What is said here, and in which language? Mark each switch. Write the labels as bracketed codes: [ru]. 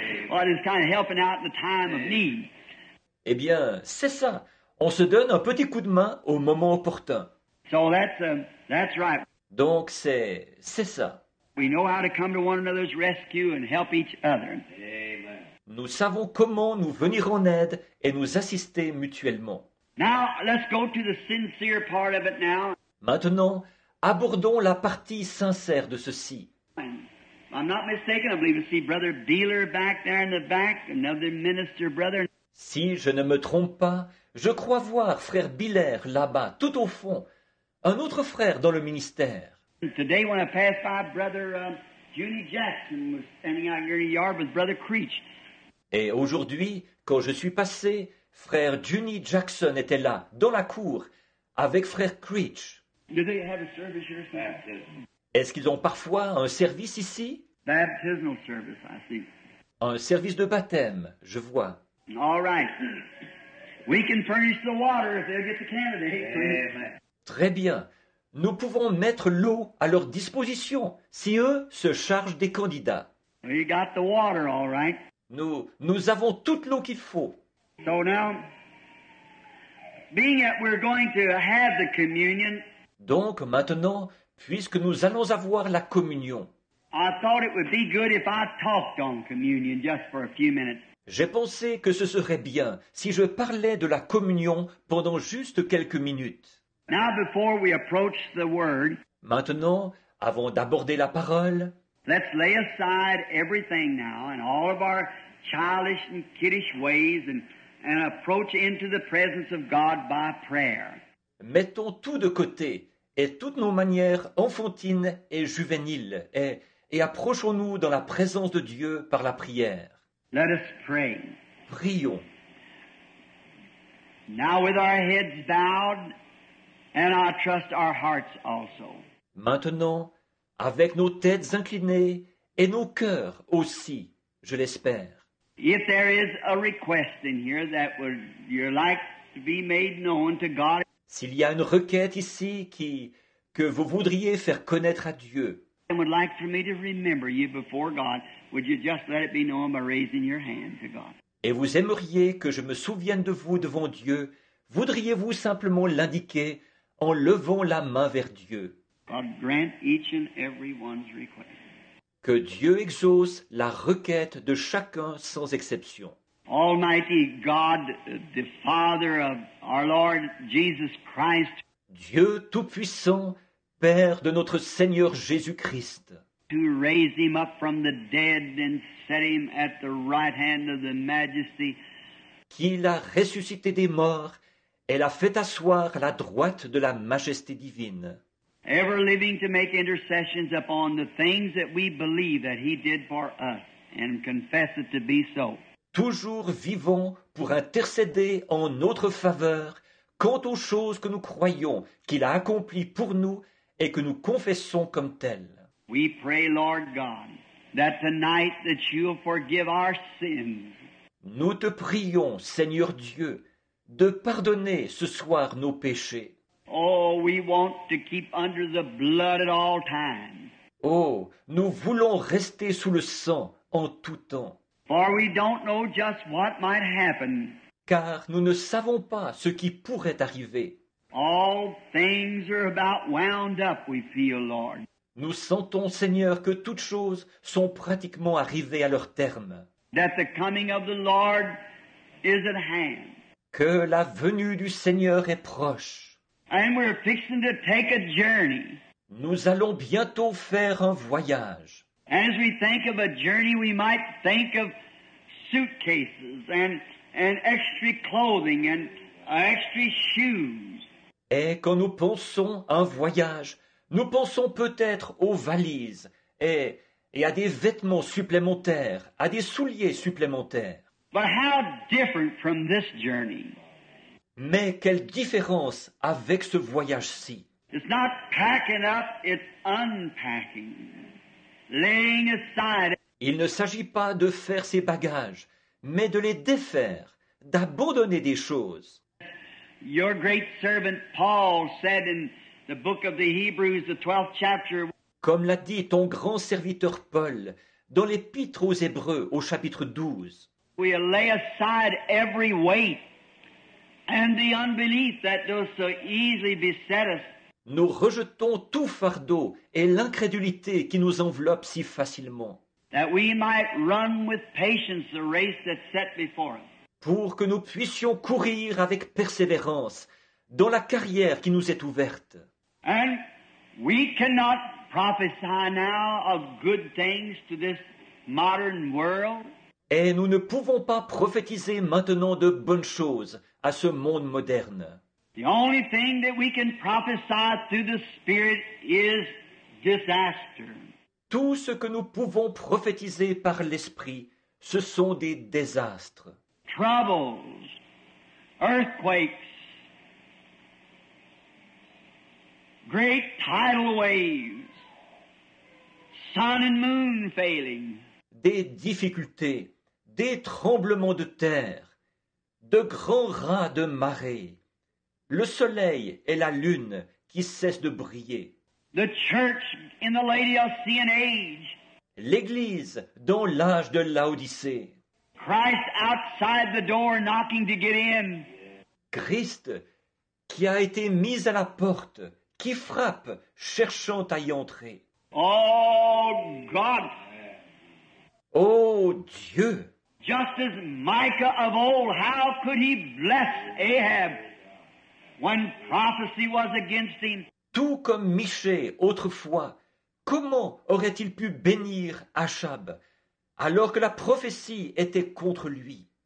[en] Well, it's kind of helping out in the time of need. [fr] Eh bien, c'est ça. On se donne un petit coup de main au moment opportun. [en] So that's right. [fr] Donc c'est ça. [en] We know how to come to one another's rescue and help each other. Amen. [fr] Nous savons comment nous venir en aide et nous assister mutuellement. [en] Now, let's go to the sincere part of it now. [fr] Maintenant, abordons la partie sincère de ceci. [en] I'm not mistaken, I believe I see Brother Beeler back there in the back, another minister brother. [fr] Si je ne me trompe pas, je crois voir Frère Beeler là-bas, tout au fond, un autre frère dans le ministère. [en] Today, when I passed by, Brother Junie Jackson was standing out here in the yard with Brother Creech. [fr] Et aujourd'hui, quand je suis passé, Frère Junie Jackson était là, dans la cour, avec Frère Creech. [en] Do they have a service here? [fr] Est-ce qu'ils ont parfois un service ici? [en] Baptismal service, I see. [fr] Un service de baptême, je vois. [en] All right. We can furnish the water if they'll get the candidate. Amen. [fr] Très bien. Nous pouvons mettre l'eau à leur disposition si eux se chargent des candidats. [en] We got the water, all right. [fr] Nous avons toute l'eau qu'il faut. [en] So now, being that we're going to have the communion, [fr] donc maintenant, puisque nous allons avoir la communion, [en] I thought it would be good if I talked on communion just for a few minutes. [fr] J'ai pensé que ce serait bien si je parlais de la communion pendant juste quelques minutes. [en] Now before we approach the word, [fr] maintenant, avant d'aborder la parole, [en] let's lay aside everything now and all of our childish and kiddish ways and approach into the presence of God by prayer. [fr] Mettons tout de côté et toutes nos manières enfantines et juvéniles et approchons-nous dans la présence de Dieu par la prière. [en] Let us pray. [fr] Prions. [en] Now with our heads bowed and I trust our hearts also. [fr] Maintenant, avec nos têtes inclinées et nos cœurs aussi, je l'espère. [en] If there is a request in here that would you like to be made known to God, [fr] s'il y a une requête ici que vous voudriez faire connaître à Dieu, [en] and would like for me to remember you before God, would you just let it be known by raising your hand to God? [fr] Et vous aimeriez que je me souvienne de vous devant Dieu, voudriez-vous simplement l'indiquer en levant la main vers Dieu? [en] God grant each and every one's request. [fr] Que Dieu exauce la requête de chacun sans exception. [en] Almighty God, the Father of our Lord Jesus Christ. [fr] Dieu Tout-Puissant, Père de notre Seigneur Jésus-Christ. [en] To raise him up from the dead and set him at the right hand of the Majesty. [fr] Qui l'a ressuscité des morts et l'a fait asseoir à la droite de la Majesté divine. [en] Ever living to make intercessions upon the things that we believe that he did for us and confess it to be so. [fr] Toujours vivant pour intercéder en notre faveur quant aux choses que nous croyons qu'il a accomplies pour nous et que nous confessons comme telles. [en] We pray, Lord God, that tonight that you'll forgive our sins. [fr] Nous te prions, Seigneur Dieu, de pardonner ce soir nos péchés. [en] Oh, we want to keep under the blood at all times. [fr] Oh, nous voulons rester sous le sang en tout temps. [en] For we don't know just what might happen. [fr] Car nous ne savons pas ce qui pourrait arriver. [en] All things are about wound up, we feel, Lord. [fr] Nous sentons, Seigneur, que toutes choses sont pratiquement arrivées à leur terme. [en] That the coming of the Lord is at hand. [fr] Que la venue du Seigneur est proche. [en] And we're fixing to take a journey. [fr] Nous allons bientôt faire un voyage. [en] As we think of a journey, we might think of suitcases and extra clothing and extra shoes. [fr] Et quand nous pensons à un voyage, nous pensons peut-être aux valises et à des vêtements supplémentaires, à des souliers supplémentaires. [en] But how different from this journey? [fr] Mais quelle différence avec ce voyage-ci? [en] It's not packing up, it's unpacking, laying aside. [fr] Il ne s'agit pas de faire ses bagages, mais de les défaire, d'abandonner des choses. [en] Your great servant Paul said in the book of the Hebrews, the 12th chapter. [fr] Comme l'a dit ton grand serviteur Paul dans l'épître aux Hébreux au chapitre 12. [en] We lay aside every weight and the unbelief that does so easily beset us. [fr] Nous rejetons tout fardeau et l'incrédulité qui nous enveloppe si facilement. [en] That we might run with patience the race that's set before us. [fr] Pour que nous puissions courir avec persévérance dans la carrière qui nous est ouverte. [en] And we cannot prophesy now of good things to this modern world. [fr] Et nous ne pouvons pas prophétiser maintenant de bonnes choses à ce monde moderne. [en] The only thing that we can prophesy through the Spirit is disaster. [fr] Tout ce que nous pouvons prophétiser par l'Esprit, ce sont des désastres. [en] Troubles, earthquakes, great tidal waves, sun and moon failing. [fr] Des difficultés, des tremblements de terre, de grands rats de marée, le soleil et la lune qui cessent de briller. [en] The church in the Laodicean age. [fr] L'église dans l'âge de Laodicée. [en] Christ outside the door knocking to get in. [fr] Christ qui a été mis à la porte, qui frappe cherchant à y entrer. [en] Oh God. [fr] Oh Dieu. [en] Just as Micah of old, how could he bless Ahab when prophecy was against him? [fr] Tout comme Michée autrefois, comment aurait-il pu bénir Achab alors que la prophétie était contre lui?